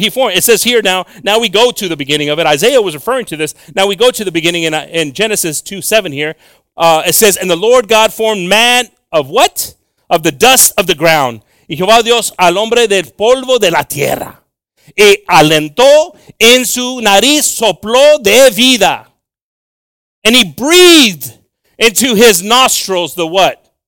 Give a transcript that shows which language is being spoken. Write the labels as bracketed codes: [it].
[en] It says here now we go to the beginning of it. Isaiah was referring to this. Now we go to the beginning in Genesis 2:7 here. It says, and the Lord God formed man of what? Of the dust of the ground. [es] Y Jehová Dios al hombre del polvo de la tierra. Y alentó en su nariz, sopló de vida. [en] And he breathed into his nostrils the what?